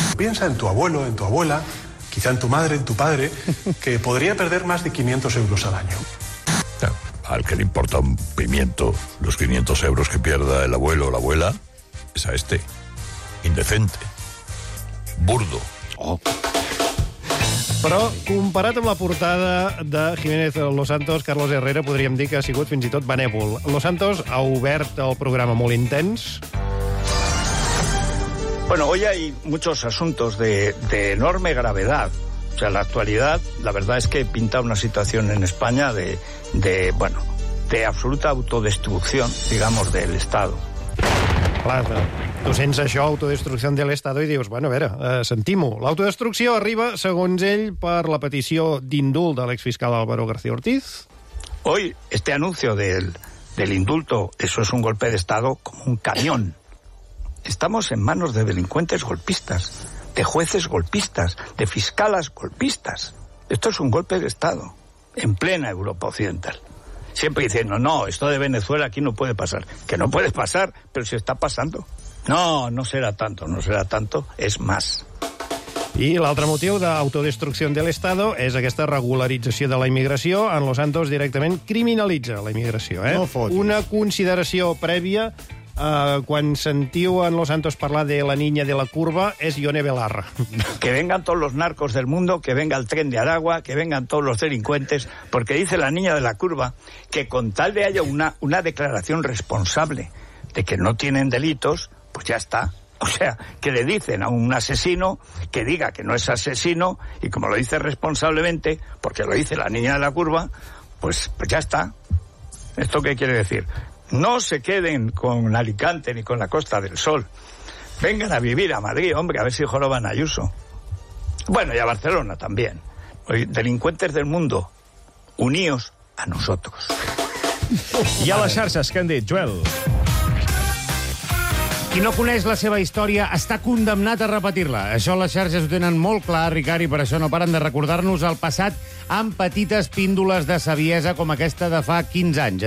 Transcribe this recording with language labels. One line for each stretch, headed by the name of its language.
Spanish: Piensa en tu abuelo, en tu abuela, quizá en tu madre, en tu padre, que podría perder más de 500 euros al año. Al que le importa un pimiento los 500 euros que pierda el abuelo o la abuela, es a este. Indecente. Burdo. Oh.
Catalan: Però, comparat amb la portada de Jiménez Los Santos, Carlos Herrera, podríem dir que ha sigut fins i tot benèvol. Los Santos ha obert el programa molt intens.
Spanish: Bueno, hoy hay muchos asuntos de enorme gravedad. O sea, la actualidad, la verdad es que pinta una situación en España de absoluta autodestrucción, digamos, del Estado.
Catalan: Clar, tu sents això, autodestrucció de l'Estat, i dius, bueno, a veure, sentim-ho. L'autodestrucció arriba, segons ell, per la petició d'indult de l'exfiscal Álvaro García Ortiz.
Spanish: Hoy, este anuncio del indulto, eso es un golpe de Estado como un camión. Estamos en manos de delincuentes golpistas, de jueces golpistas, de fiscalas golpistas. Esto es un golpe de Estado, en plena Europa Occidental. Siempre diciendo, no, esto de Venezuela aquí no puede pasar. Que no puede pasar, pero si está pasando. No, no será tanto, no será tanto, es más.
Catalan: I l'altre motiu d'autodestrucció de l'Estat és aquesta regularització de la immigració. En Los Santos directament criminalitza la immigració. Eh? No fotis. Una consideració prèvia, quan sentiu en Los Santos parlar de
Spanish: la niña de la curva,
Catalan: és Ione Belarra.
Spanish: Que vengan todos los narcos del mundo, que venga el tren de Aragua, que vengan todos los delincuentes, porque dice la niña de la curva que con tal de haya una declaración responsable de que no tienen delitos, pues ya está. O sea, que le dicen a un asesino que diga que no es asesino, y como lo dice responsablemente, porque lo dice la niña de la curva, pues ya está. ¿Esto qué quiere decir? No se queden con Alicante ni con la Costa del Sol. Vengan a vivir a Madrid, hombre, a ver si joroban a Ayuso. Bueno, y a Barcelona también. Hoy, delincuentes del mundo, uníos a nosotros.
Catalan: I a les xarxes, què han dit, Joel? Qui no coneix la seva història està condemnat a repetir-la. Això les xarxes ho tenen molt clar, Ricard, i per això no paren de recordar-nos el passat amb petites píndoles de saviesa com aquesta de fa 15 anys.